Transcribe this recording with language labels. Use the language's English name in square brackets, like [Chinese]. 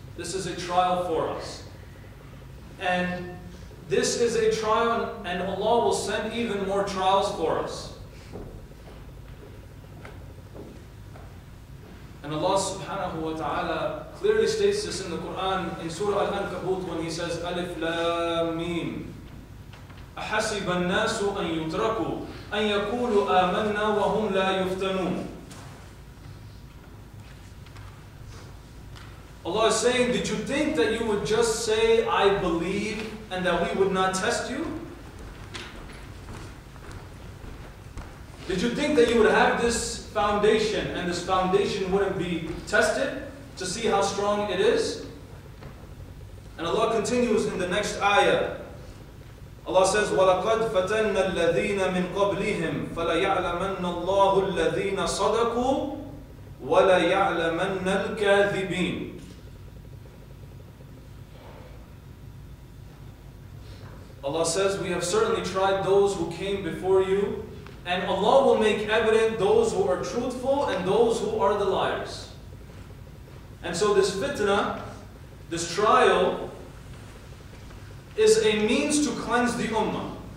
[English] This is a trial for us. And this is a trial, and Allah will send even more trials for us. And Allah subhanahu wa ta'ala clearly states this in the Quran, in Surah Al-Ankabut, when He says, Alif Lam Mim. [Arabic] أحسب الناس أن يتركوا أن يقولوا آمنا وهم لا يفتنون. [English] Allah is saying, did you think that you would just say, I believe, and that we would not test you? Did you think that you would have this foundation, and this foundation wouldn't be tested to see how strong it is? And Allah continues in the next ayah, Allah says, [Arabic] وَلَقَدْ فَتَنَّ الَّذِينَ مِنْ قَبْلِهِمْ فَلَيَعْلَمَنَّ اللَّهُ الَّذِينَ صَدَقُوا وَلَيَعْلَمَنَّ الْكَاذِبِينَ. [English] Allah says, we have certainly tried those who came before you, and Allah will make evident those who are truthful and those who are the liars. And so this fitna, this trial, is a means to cleanse the ummah.